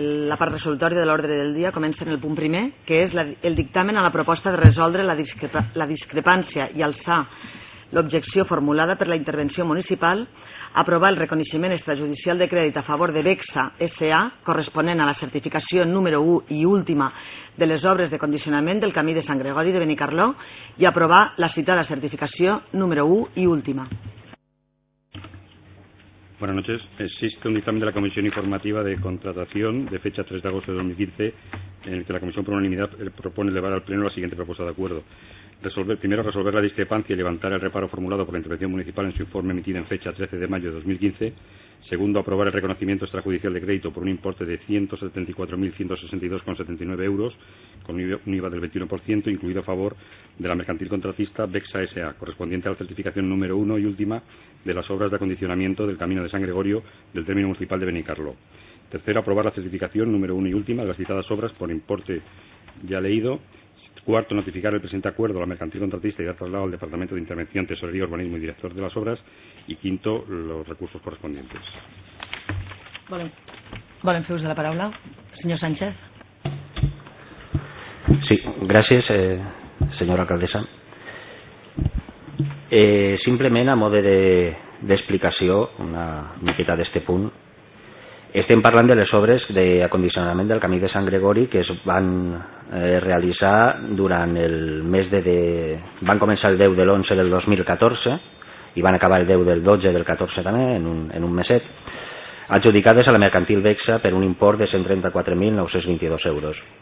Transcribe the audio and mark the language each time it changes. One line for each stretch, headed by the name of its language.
Catalan: La part resolutòria de l'ordre del dia comença en el punt primer, que és el dictamen a la proposta de resoldre la discrepància i alçar l'objecció formulada per la intervenció municipal, aprovar el reconeixement extrajudicial de crèdit a favor de Bexa S.A. corresponent a la certificació número 1 i última de les obres de condicionament del camí de Sant Gregori de Benicarló i aprovar la citada certificació número 1 i última.
Spanish: Buenas noches. Existe un dictamen de la Comisión Informativa de Contratación de fecha 3 de agosto de 2015 en el que la Comisión por unanimidad propone elevar al Pleno la siguiente propuesta de acuerdo. Resolver la discrepancia y levantar el reparo formulado por la Intervención Municipal en su informe emitido en fecha 13 de mayo de 2015. Segundo, aprobar el reconocimiento extrajudicial de crédito por un importe de 174.162,79 € con un IVA del 21%, incluido a favor de la mercantil contratista Bexa S.A., correspondiente a la certificación número 1 y última de las obras de acondicionamiento del Camino de San Gregorio del término municipal de Benicarló. Tercero, aprobar la certificación número 1 y última de las citadas obras por importe ya leído. Cuarto, notificar el presente acuerdo a la mercantil contratista y dar traslado al Departamento de Intervención, Tesorería, Urbanismo y Director de las Obras. Y quinto, los recursos correspondientes.
Catalan: Volen fer ús de la paraula.
Spanish: Señor Sánchez. Sí, gracias, señora alcaldesa.
Catalan: Simplement, a mode d'explicació, una miqueta d'este punt, estem parlant de les obres d'acondicionament del camí de Sant Gregori que es van realitzar durant el mes de... van començar el 10 de l'11 del 2014 i van acabar el 10 del 12 del 14 també, en un meset, adjudicades a la mercantil Bexa per un import de 134.922 €.